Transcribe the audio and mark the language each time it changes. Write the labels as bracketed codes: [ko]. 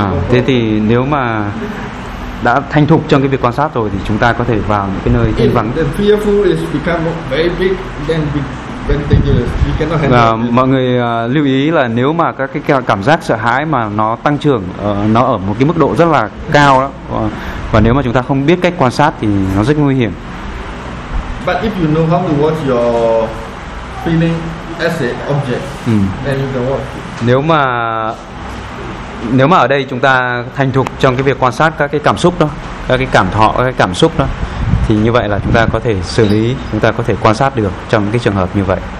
[vi] Thế thì nếu mà đã thanh thục trong cái việc quan sát rồi thì chúng ta có thể vào những cái nơi thanh vắng. Mọi người lưu ý là nếu mà các cái cảm giác sợ hãi mà nó tăng trưởng, nó ở một cái mức độ rất là cao đó, và nếu mà chúng ta không biết cách quan sát thì nó rất nguy hiểm. [en] But if you know how to watch your feeling as an object, then you can watch. [vi] Nếu mà ở đây chúng ta thành thục trong cái việc quan sát các cái cảm xúc đó, các cái cảm thọ, các cái cảm xúc đó, thì như vậy là chúng ta có thể xử lý, chúng ta có thể quan sát được trong cái trường hợp như vậy.